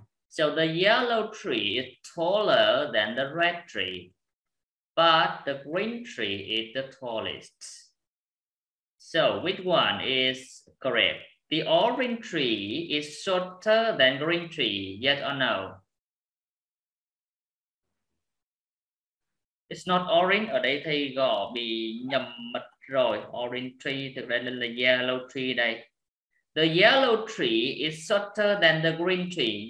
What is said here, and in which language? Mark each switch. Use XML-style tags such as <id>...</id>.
<en>So the yellow tree is taller than the red tree, but the green tree is the tallest. So which one is correct? The orange tree is shorter than green tree, yes or no? It's not orange.</en> <vi>Ở đây thầy có bị nhầm mật rồi.</vi> <en>Orange tree,</en> <vi>thực ra là</vi> <en>yellow tree</en> <vi>đây.</vi> <en>The yellow tree is shorter than the green tree.</en>